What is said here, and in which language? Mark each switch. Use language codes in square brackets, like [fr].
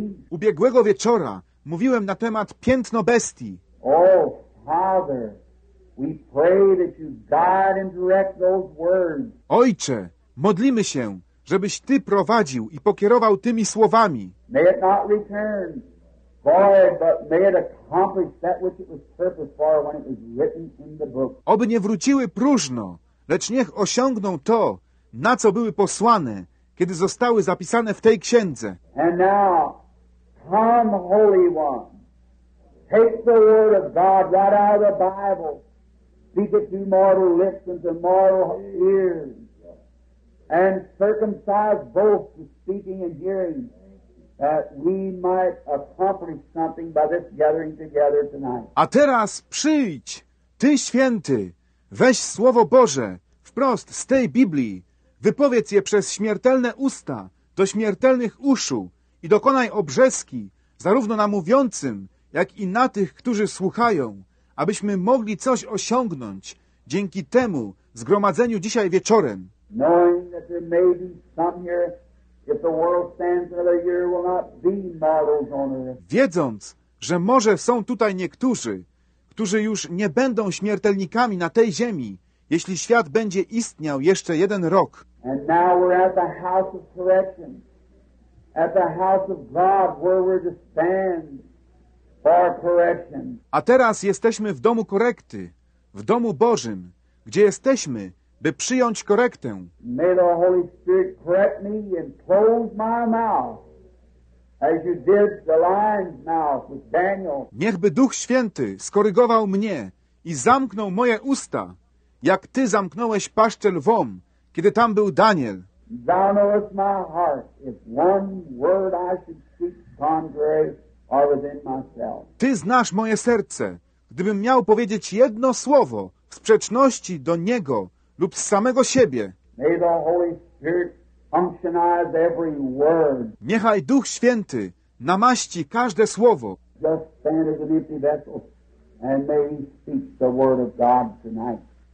[pl] Ubiegłego wieczora mówiłem na temat piętno bestii. [en] O, Father, we pray that you guide and direct those words. [pl] Ojcze, modlimy się, żebyś Ty prowadził i pokierował tymi słowami. [en] May it not return void, but may it accomplish that which it was purposed for when it was written in the book. [pl] Oby nie wróciły próżno, lecz niech osiągną to, na co były posłane, kiedy zostały zapisane w tej księdze. [en] And now, come, Holy One, take the word of God right out of the Bible, speak it to mortal lips and to mortal ears, and circumcise both the speaking and hearing, that we might accomplish something by this gathering together tonight. [pl] A teraz przyjdź, Ty Święty, weź Słowo Boże wprost z tej Biblii, wypowiedz je przez śmiertelne usta do śmiertelnych uszu i dokonaj obrzeski zarówno na mówiącym, jak i na tych, którzy słuchają, abyśmy mogli coś osiągnąć dzięki temu zgromadzeniu dzisiaj wieczorem. [en] Knowing that there may be some here, if the world stands another year, will not be models on earth. [pl] Wiedząc, że może są tutaj niektórzy, którzy już nie będą śmiertelnikami na tej ziemi, jeśli świat będzie istniał jeszcze jeden rok. [en] And now we're at the house of correction, at the house of God, where we're to stand for correction. [pl] A teraz jesteśmy w domu korekty, w domu Bożym, gdzie jesteśmy, by przyjąć korektę. [en] May the Holy Spirit correct me and close my mouth, as you did the lion's mouth with Daniel. [pl] Niechby Duch Święty skorygował mnie i zamknął moje usta, jak Ty zamknąłeś paszczę lwom, kiedy tam był Daniel. [en] Thou knowest my heart, if one word I should speak contrary or within myself. [pl] Ty znasz moje serce, gdybym miał powiedzieć jedno słowo w sprzeczności do Niego lub z samego siebie. [en] May the Holy Spirit functionize every word. [pl] Niechaj Duch Święty namaści każde słowo. [en] Just stand as an empty vessel and may He speak the word of God tonight.